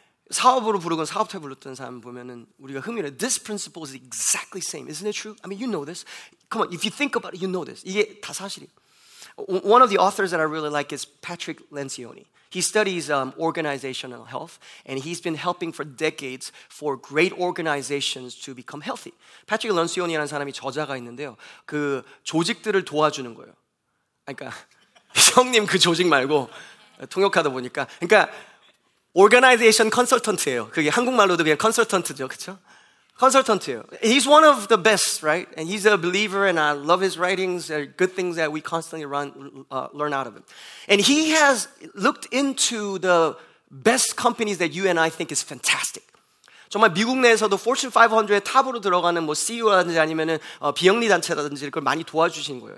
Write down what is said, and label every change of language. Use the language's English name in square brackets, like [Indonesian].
[Korean] 사업으로 부르건 사업터에 불렀던 사람 보면은 우리가 흥미로 [English] this principle is exactly same. Isn't it true? I mean, you know this. Come on, if you think about it, you know this. [Korean] 이게 다 사실이에요. [English] One of the authors that I really like is Patrick Lencioni. He studies organizational health, and he's been helping for decades for great organizations to become healthy. [Korean] Patrick Lencioni라는 사람이 저자가 있는데요. 그 조직들을 도와주는 거예요. 그러니까 형님 그 조직 말고 통역하다 보니까 그러니까 Organization consultant예요. 그게 한국말로도 그냥 consultant죠, 그렇죠? Consultant예요. [English] He's one of the best, right? And he's a believer, and I love his writings. There are good things that we constantly learn out of him. And he has looked into the best companies that you and I think is fantastic. [Korean] 정말 미국 내에서도 Fortune 500의 탑으로 들어가는 뭐 CEO라든지 아니면은 비영리 단체라든지 그걸 많이 도와주신 거예요.